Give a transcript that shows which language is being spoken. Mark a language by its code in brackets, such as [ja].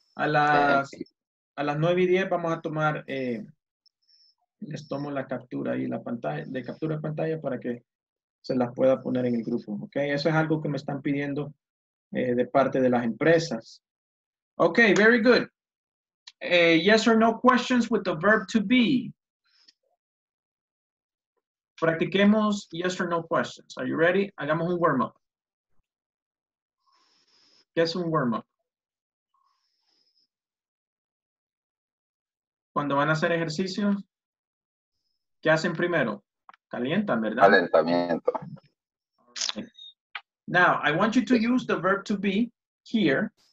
[es] A las 9:10 vamos a tomar, les tomo la captura y la pantalla, de captura de pantalla para que se las pueda poner en el grupo, ok? Eso es algo que me están pidiendo de parte de las empresas. [en] Ok, very good. Yes or no questions with the verb to be. [es] Practiquemos [en] yes or no questions. Are you ready? [es] Hagamos un warm-up. ¿Qué es un warm-up? Cuando van a hacer ejercicios, ¿qué hacen primero? Calientan, ¿verdad? Calentamiento. [en] Now, I want you to use the verb to be here.